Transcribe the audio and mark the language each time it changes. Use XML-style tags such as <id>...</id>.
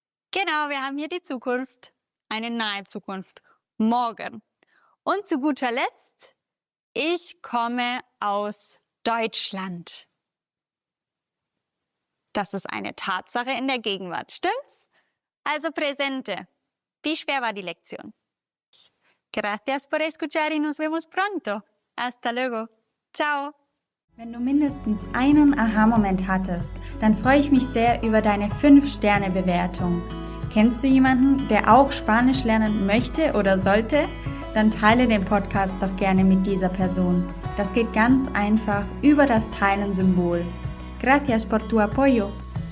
<de>Genau, wir haben hier die Zukunft, eine nahe Zukunft, morgen. Und zu guter Letzt, ich komme aus Deutschland. Das ist eine Tatsache in der Gegenwart, stimmt's? Also Präsente, wie schwer war die Lektion?</de> <es>Gracias por escuchar y nos vemos pronto. Hasta luego. Ciao.</es> <de>Wenn du mindestens einen Aha-Moment hattest, dann freue ich mich sehr über deine 5-Sterne-Bewertung. Kennst du jemanden, der auch Spanisch lernen möchte oder sollte? Dann teile den Podcast doch gerne mit dieser Person. Das geht ganz einfach über das Teilen-Symbol.</de> <es>Gracias por tu apoyo.</es>